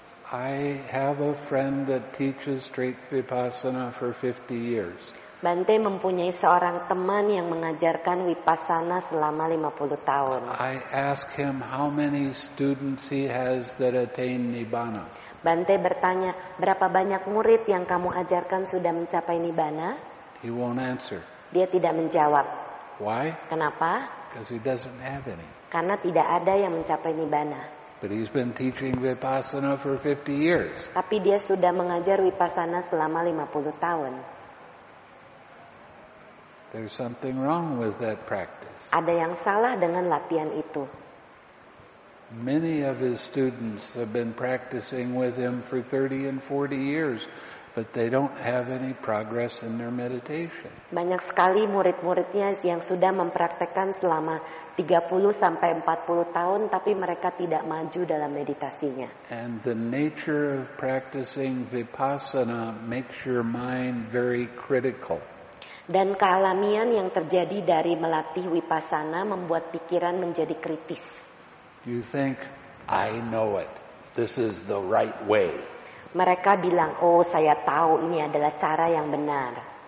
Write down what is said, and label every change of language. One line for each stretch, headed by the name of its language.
English: I have a friend that teaches straight vipassana for 50 years.
Indonesian: Bante mempunyai seorang teman yang mengajarkan vipassana selama 50 tahun.
English: I ask him how many students he has that attain nibbana.
Indonesian: Bante bertanya, berapa banyak murid yang kamu ajarkan sudah mencapai nibbana?
English: He won't answer.
Indonesian: Dia tidak menjawab.
English: Why?
Indonesian: Kenapa?
English: Because he doesn't have any.
Indonesian: Karena tidak ada yang mencapai nibbana.
English: But he's been teaching vipassana for 50 years.
Indonesian: Tapi dia sudah mengajar vipassana selama 50 tahun.
English: There's something wrong with that practice.
Indonesian: Ada yang salah dengan latihan itu.
English: Many of his students have been practicing with him for 30 and 40 years, but they don't have any progress in their meditation.
Indonesian: Banyak sekali murid-muridnya yang sudah mempraktikkan selama 30 sampai 40 tahun, tapi mereka tidak maju dalam meditasinya.
English: And the nature of practicing vipassana makes your mind very critical.
Indonesian: Dan kealamian yang terjadi dari melatih vipassana membuat pikiran menjadi kritis.
English: You think, I know it. This is the right way.
Indonesian: Mereka bilang, oh, saya tahu ini adalah cara yang benar.